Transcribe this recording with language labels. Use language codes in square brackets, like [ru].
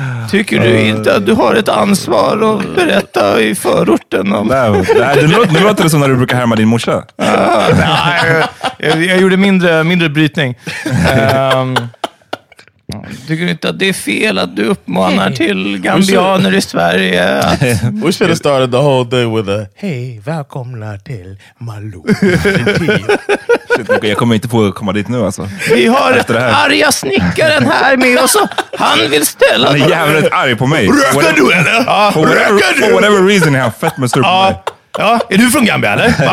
[sv] Tycker du inte att du har ett ansvar att berätta i förorten om... Nej, det låter som när du brukar härma din morsa. Jag gjorde mindre brytning. Tycker du inte att det är fel att du uppmanar till gambianer i Sverige? [en] We should have started the whole thing with a [sv] hej, välkomna till Malou. Shit, jag kommer inte få komma dit nu alltså. Vi har arga snickaren här med oss och han vill ställa... Han är jävligt arg på mig. Röker du eller? [en] For whatever reason, [sv] han fett med styr på mig. Ja, är du från Gambia eller?